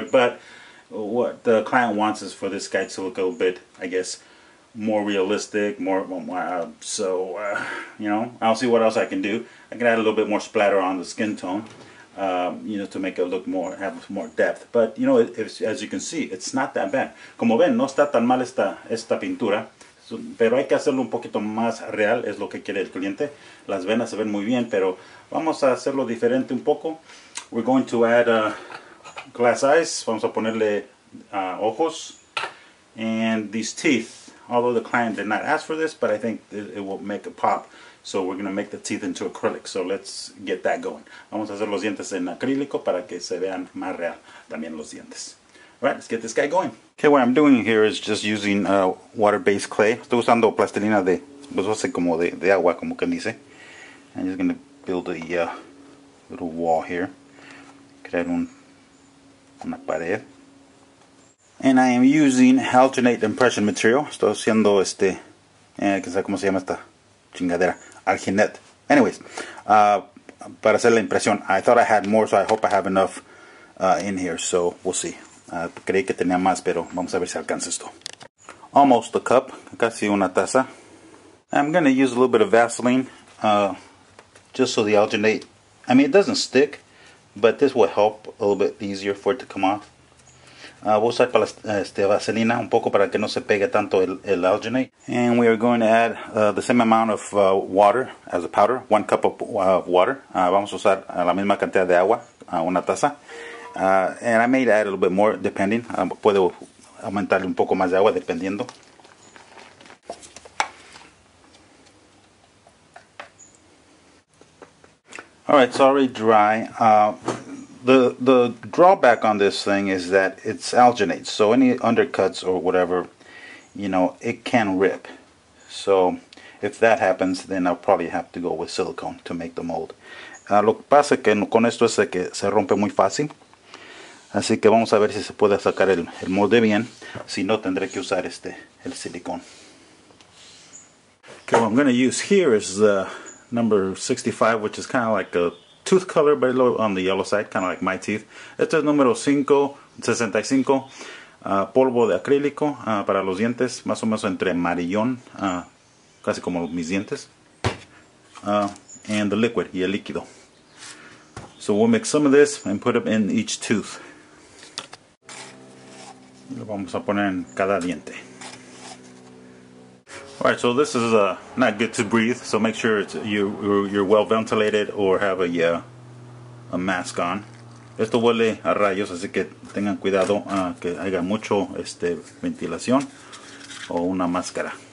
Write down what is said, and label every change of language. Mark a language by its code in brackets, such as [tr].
[en] But what the client wants is for this guy to look a little bit, I guess, more realistic, more, I'll see what else I can do. I can add a little bit more splatter on the skin tone. To make it look more, have more depth. But, you know, as you can see, it's not that bad. [es] Como ven, no está tan mal esta pintura. So, pero hay que hacerlo un poquito más real, es lo que quiere el cliente. Las venas se ven muy bien, pero vamos a hacerlo diferente un poco. [en] We're going to add glass eyes. Vamos a ponerle ojos. And these teeth. Although the client did not ask for this, but I think it will make a pop. So we're going to make the teeth into acrylic. So let's get that going. [es] Vamos a hacer los dientes en acrílico para que se vean más real también los dientes. [en] All right, let's get this guy going. Okay, what I'm doing here is just using water-based clay. [es] Estoy usando plastilina de, pues va a ser como de agua, como que dice. [en] I'm just going to build a little wall here. Crear una pared. And I am using alternate impression material. [es] Estoy haciendo que sabe cómo se llama esta chingadera. Arginet. [en] Anyways, para hacer la impresión, I thought I had more, so I hope I have enough in here, so we'll see. [es] Creí que tenía más, pero vamos a ver si alcanza esto. [en] Almost a cup, casi una taza. I'm going to use a little bit of Vaseline, just so the alginate, I mean, it doesn't stick, but this will help a little bit easier for it to come off. [es] Voy a usar para vaselina un poco para que no se pegue tanto el alginate. [en] And we are going to add the same amount of water as a powder, 1 cup of water. [es] Vamos a usar la misma cantidad de agua, una taza. [en] And I may add a little bit more depending. [es] Puedo aumentarle un poco más de agua dependiendo. [en] Alright, it's already dry. The drawback on this thing is that it's alginate, so any undercuts or whatever, you know, it can rip. So if that happens, then I'll probably have to go with silicone to make the mold. [es] Lo que pasa que con esto es que se rompe muy fácil, así que vamos a ver si se puede sacar el molde bien. Si no, tendré que usar el silicone. [en] Okay, what I'm going to use here is the number 65, which is kind of like a tooth color, but a little on the yellow side, kind of like my teeth. [es] Este es número 65, polvo de acrílico para los dientes, más o menos entre amarillón, casi como mis dientes, and the liquid, y el líquido. [en] So we'll mix some of this and put it in each tooth. [es] Lo vamos a poner en cada diente. [en] Alright, so this is not good to breathe, so make sure you're well ventilated or have a mask on. [es] Esto huele a rayos, así que tengan cuidado que haya mucho ventilación o una máscara.